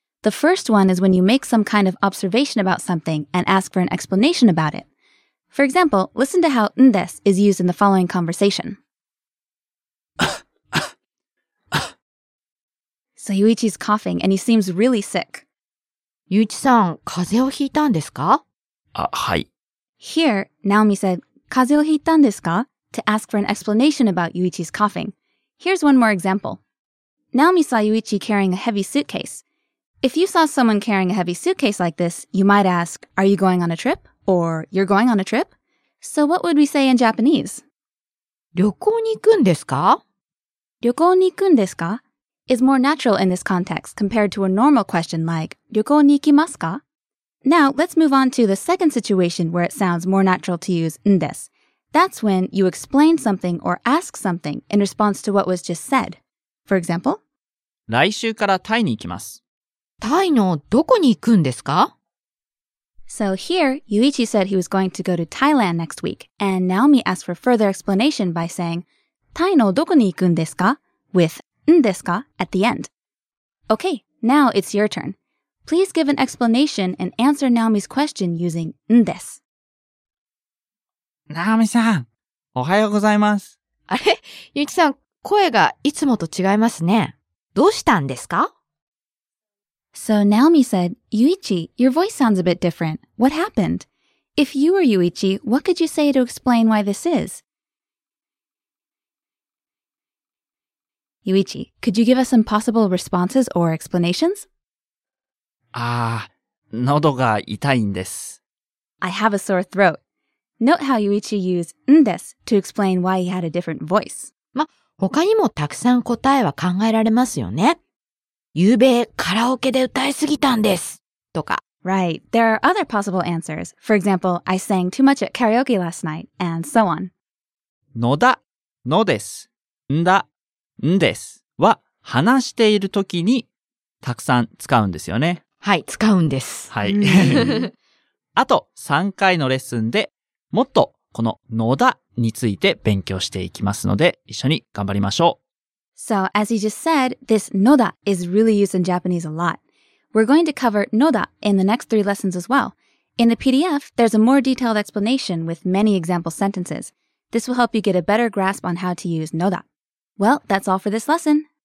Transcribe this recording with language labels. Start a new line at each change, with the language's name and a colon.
English: The first one is when you make some kind of observation about something and ask for an explanation about it. For example, listen to how んです is used in the following conversation. So Yuichi's coughing and he seems really sick.
Japanese: Yuichi-san, 風邪をひいたんですか？あ、はい。
English: Here, Naomi said,
Japanese: 風邪をひいたんですか？
English: to ask for an explanation about Yuichi's coughing. Here's one more example. Naomi saw Yuichi carrying a heavy suitcase. If you saw someone carrying a heavy suitcase like this, you might ask, are you going on a trip? Or, you're going on a trip? So what would we say in Japanese?
Japanese: 旅行に行くんですか？旅行に行くんですか？
English: is more natural in this context compared to a normal question like
Japanese: 旅行に行きますか?
English: Now, let's move on to the second situation where it sounds more natural to use んです. That's when you explain something or ask something in response to what was just said. For example,
Japanese: 来週からタイに行きます。タイのどこに行くんですか?
English: So here, Yuichi said he was going to go to Thailand next week, and Naomi asked for further explanation by saying
Japanese: タイのどこに行くんですか?
English: withんですか?at the end. Okay, now it's your turn. Please give an explanation and answer Naomi's question using んです。
Japanese: Naomi さん、おはようございます。あれ、ゆきさん、声がいつもと違いますね。どうしたんですか?
English: So Naomi said, Yuichi, your voice sounds a bit different. What happened? If you were Yuichi, what could you say to explain why this is? Yuichi, could you give us some possible responses or explanations?
Japanese: Ah, 喉が痛いんです。
English: I have a sore throat. Note how Yuichi used んです to explain why he had a different voice.
Japanese: ま、他にもたくさん答えは考えられますよね。ゆうべカラオケで歌いすぎたんです。とか。
English: Right, there are other possible answers. For example, I sang too much at karaoke last night, and so on.
Japanese: のだ、のです、んだ。んですは話しているときにたくさん使うんですよね。はい、使うんです。はい。あと3回のレッスンでもっとこののだについて勉強していきますので一緒に頑張りましょう。
English: So, as you just said, this のだ is really used in Japanese a lot. We're going to cover のだ in the next three lessons as well. In the PDF, there's a more detailed explanation with many example sentences. This will help you get a better grasp on how to use noda. Well, that's all for this lesson.